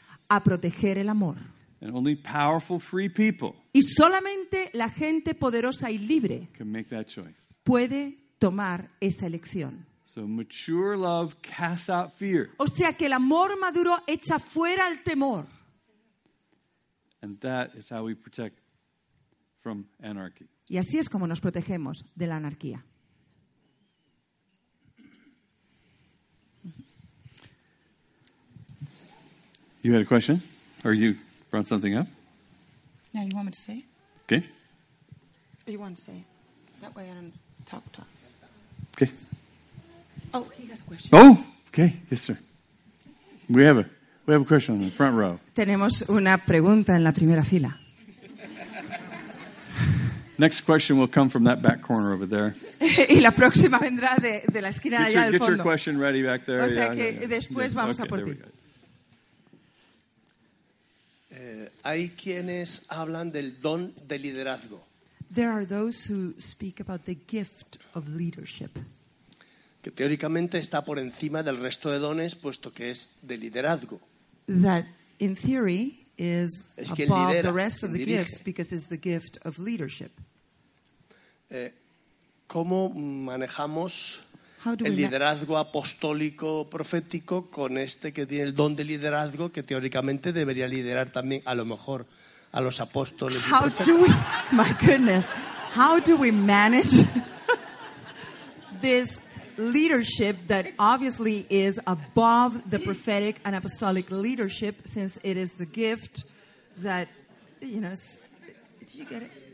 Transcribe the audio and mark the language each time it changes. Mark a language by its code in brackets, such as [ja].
[es] A proteger el amor. [en] And only powerful, free people. [es] Y solamente la gente poderosa y libre. [en] Can make that choice. [es] Puede tomar esa elección. [en] So mature love casts out fear. [es] O sea que el amor maduro echa fuera el temor. [en] And that is how we protect from anarchy. [es] Y así es como nos protegemos de la anarquía. [en] You had a question? Or you brought something up? Yeah, you want me to say it? Okay. Or you want to say it? That way I don't talk to us. Okay. Oh, he has a question. Oh, okay. Yes, sir. We have a question in the front row. [es] Tenemos una pregunta en la primera fila. [en] Next question will come from that back corner over there. [es] Y la próxima vendrá de la esquina allá del fondo. [en] Get your question ready back there. [es] O sea que después vamos a por ti. Hay quienes hablan del don de liderazgo. [en] There are those who speak about the gift of leadership. [es] Que teóricamente está por encima del resto de dones, puesto que es de liderazgo. [en] That in theory is [es] es que [en] above [es] lidera, [en] the rest of the gifts because it's the gift of leadership. [es] ¿Cómo manejamos el liderazgo apostólico profético con este que tiene el don de liderazgo que teóricamente debería liderar también a lo mejor a los apóstoles? [en] How do we, my goodness, How do we manage this leadership that obviously is above the prophetic and apostolic leadership, since it is the gift that, you know, do you get it?